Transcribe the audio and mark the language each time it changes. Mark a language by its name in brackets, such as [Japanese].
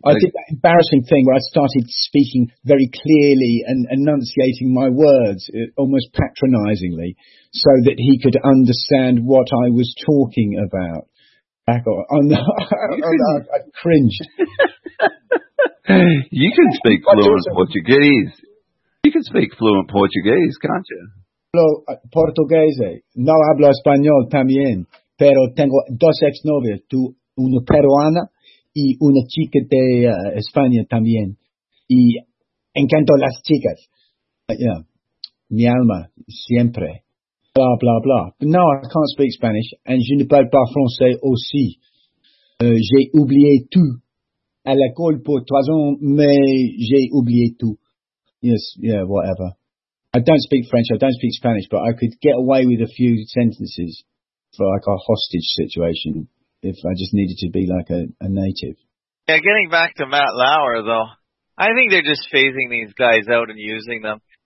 [English] I did that embarrassing thing where I started speaking very clearly and enunciating my words, almost patronisingly, so that he could understand what I was talking about. Back on, I cringed. You can speak fluent Portuguese. You can speak fluent Portuguese, can't you? [Spanish] Hablo portuguese. No hablo español también. Pero tengo dos exnovias. Tu una peruana... y una chica de España también. Y encanto las chicas. Yeah. Mi alma, siempre. Blah, blah, blah. [English] But no, I can't speak Spanish. [French] And je ne parle pas français aussi. J'ai oublié tout. À l'école pour 3 ans, mais j'ai oublié tout. [English] Yes, yeah, whatever. I don't speak French, I don't speak Spanish, but I could get away with a few sentences for like a hostage situation. If I just needed to be like a native. Yeah, getting back to Matt Lauer, though, I think they're just phasing these guys out and using them.